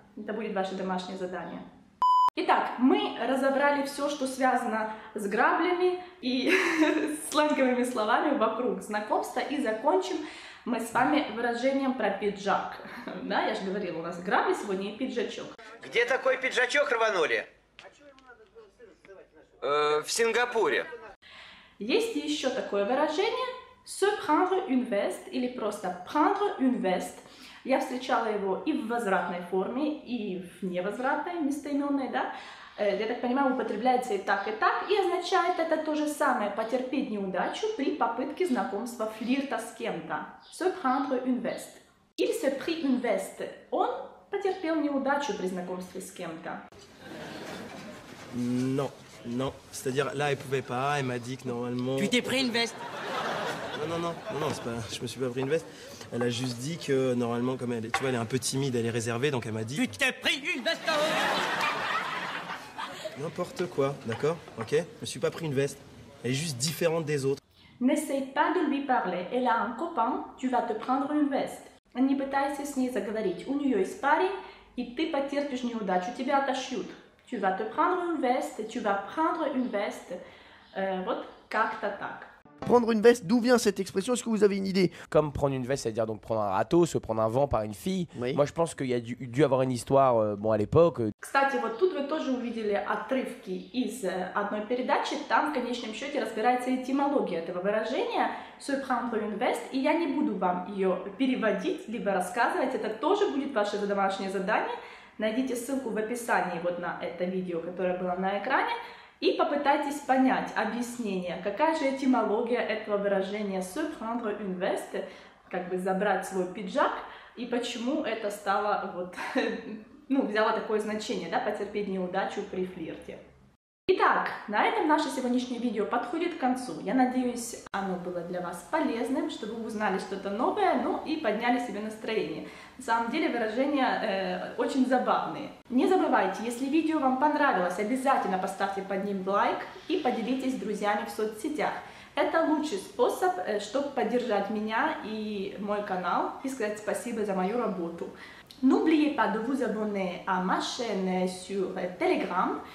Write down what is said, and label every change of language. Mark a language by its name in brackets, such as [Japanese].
[Russian] Это будет ваше домашнее задание. Итак, мы разобрали все, что связано с граблями и сленговыми словами вокруг знакомства. И закончим мы с вами выражением про пиджак. Да, я же говорила, у нас грабли сегодня и пиджачок. Где такой пиджачок рванули? В Сингапуре. Есть еще такое выражение. [French] Se prendre une veste [Russian] или просто [French] prendre une veste. [Russian] Я встречала его и в возвратной форме, и в невозвратной, местоименной, да. Я так понимаю, употребляется и так, и означает это то же самое, потерпеть неудачу при попытке знакомства, флирта с кем-то. [French] Se prendre une veste. Il se prit une veste. [Russian] Он потерпел неудачу при знакомстве с кем-то. [French] Non. C'est-à-dire, là, elle pouvait pas, elle m'a dit que normalement... Tu t'es pris une veste. Non, c'est pas... je me suis pas pris une veste. Elle a juste dit que normalement, comme elle, tu vois, elle est un peu timide, elle est réservée, donc elle m'a dit... Tu t'es pris une veste à haut. N'importe quoi, d'accord? Ok? Je me suis pas pris une veste. Elle est juste différente des autres. N'essaye pas de lui parler. Elle a un copain, tu vas te prendre une veste. [Russian] Не пытайся с ней заговорить. У нее есть парень, и ты потерпишь неудачу. Тебя отошьют. [French] Tu vas te prendre une veste, tu vas prendre une veste. [Russian] Вот как-то так. [French] Prendre une veste, d'où vient cette expression? Est-ce que vous avez une idée? Comme prendre une veste, c'est-à-dire donc prendre un râteau, se prendre un vent par une fille. Oui. Moi, je pense qu'il y a dû avoir une histoire, bon, à l'époque. [Russian] Кстати, вот тут вы тоже увидели отрывки из одной передачи. Там, в конечном счете, разбирается этимология этого выражения. [French] Se prendre une veste. [Russian] И я не буду вам ее переводить, либо рассказывать. Это тоже будет ваше домашнее задание. Найдите ссылку в описании вот на это видео, которое было на экране. И попытайтесь понять объяснение, какая же этимология этого выражения [French] «se prendre une veste», [Russian] как бы забрать свой пиджак, и почему это стало вот, ну, взяло такое значение, да, потерпеть неудачу при флирте. Итак, на этом наше сегодняшнее видео подходит к концу. Я надеюсь, оно было для вас полезным, чтобы вы узнали что-то новое, ну и подняли себе настроение. На самом деле выражения очень забавные. Не забывайте, если видео вам понравилось, обязательно поставьте под ним лайк и поделитесь с друзьями в соцсетях. Это лучший способ, чтобы поддержать меня и мой канал и сказать спасибо за мою работу. [French] N'oubliez pas de vous abonner à ma chaîne sur Telegram.